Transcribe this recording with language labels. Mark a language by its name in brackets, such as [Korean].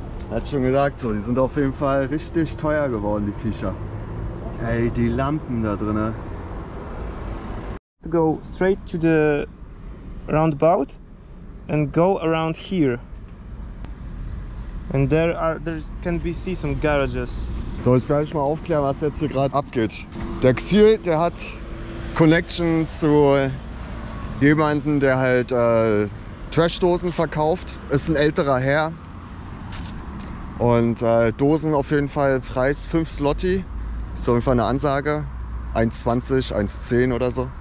[German] Hat schon gesagt, so, die sind auf jeden Fall richtig teuer geworden, die Viecher. Ey, die Lampen da drinne. [English] Go straight to the roundabout and go around here. And there can be see some garages. [German] So, jetzt werde ich mal aufklären, was jetzt hier gerade abgeht. Der Xil, der hat Connection zu jemanden, der halt Trashdosen verkauft. Ist ein älterer Herr. Und Dosen auf jeden Fall, Preis 5 Zloty, ist auf jeden Fall eine Ansage, 1,20, 1,10 oder so.